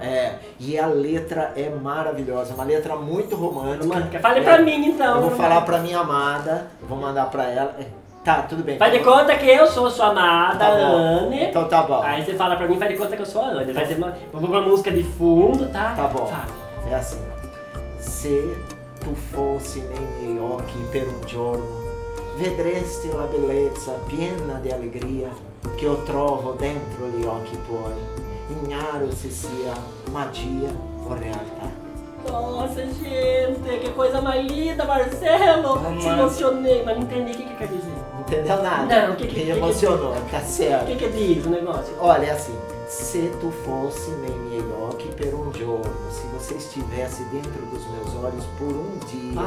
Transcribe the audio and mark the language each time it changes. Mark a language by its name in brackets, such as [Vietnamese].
[Portuguese] É, e a letra é maravilhosa, uma letra muito romântica. Romântica. Fale pra mim, então. Eu vou falar pra minha amada, vou mandar pra ela. Tá, tudo bem. Faz de conta que eu sou sua amada, tá, Anne. Então tá bom. Aí você fala pra mim, faz de conta que eu sou a Anne. Vai ser uma música de fundo, tá? Tá bom. Fala. É assim. [Italian] Se tu fossi nei miei occhi per un giorno, vedresti la bellezza piena di alegria che io trovo dentro gli occhi tuoi, ignaro se sia magia o realtà. [Portuguese] Nossa, gente, que coisa mais linda, Marcelo! Mas... Se emocionei, mas não entendi o que quer dizer. Não entendeu nada. Não, o que me emocionou, tá certo. O que diz o negócio? Olha, é assim. [Italian] Se tu fosse nei miei occhi per un giorno, [Portuguese] se você estivesse dentro dos meus olhos por um dia...